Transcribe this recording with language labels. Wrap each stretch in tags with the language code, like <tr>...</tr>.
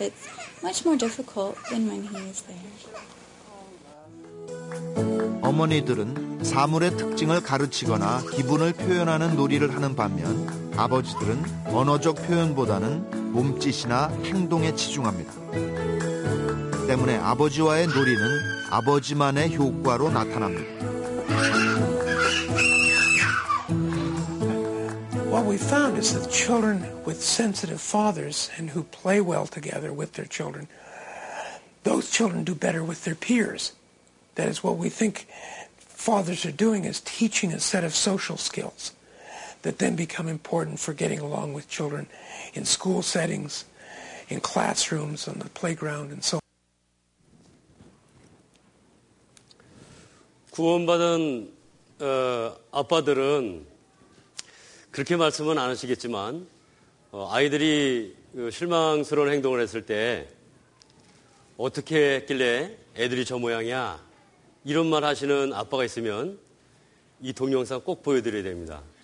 <en>It's much more difficult than when he is there.</en> <ko>어머니들은 사물의 특징을 가르치거나 기분을 표현하는 놀이를 하는 반면 아버지들은 언어적 표현보다는 몸짓이나 행동에 치중합니다. 때문에 아버지와의 놀이는 아버지만의 효과로 나타납니다.</ko> <en>What we found is that children with sensitive fathers and who play well together with their children, those children do better with their peers. That is what we think fathers are doing is teaching a set of social skills. That then become important for getting along with children in school settings, in classrooms, on the playground, and so on.</en> <ko>구원받은 아빠들은 그렇게 말씀은 안 하시겠지만 아이들이 실망스러운 행동을 했을 때 어떻게 했길래 애들이 저 모양이야 이런 말 하시는 아빠가 있으면 이 동영상 꼭 보여드려야 됩니다.</ko>